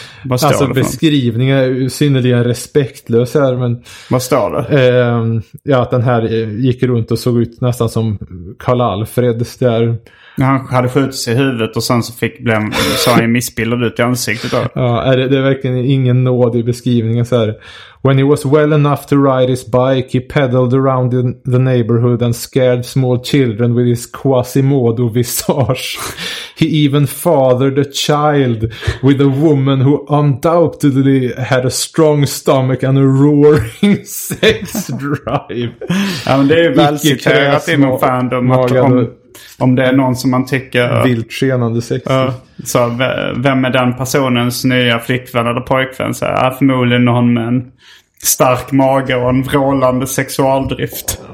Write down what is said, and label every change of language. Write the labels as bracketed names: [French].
[Swedish] Alltså beskrivningen är synnerligen respektlös här, men... Vad står det? Ja, att den här gick runt och såg ut nästan som Karl Alfred där. Han hade skjutits i huvudet och sen så sa han missbildad ut i ansiktet då. Ja, det är verkligen ingen nåd i beskrivningen så här. [English] When he was well enough to ride his bike, he pedaled around the neighborhood and scared small children with his Quasimodo visage. He even fathered a child with a woman who undoubtedly had a strong stomach and a roaring sex drive. [Swedish] Ja, men det är väl citerat inom fandom om det är någon som man tycker... Vilt skenande sex. Så vem är den personens nya flickvän eller pojkvän? Så är förmodligen någon med en stark mage och en vrålande sexualdrift.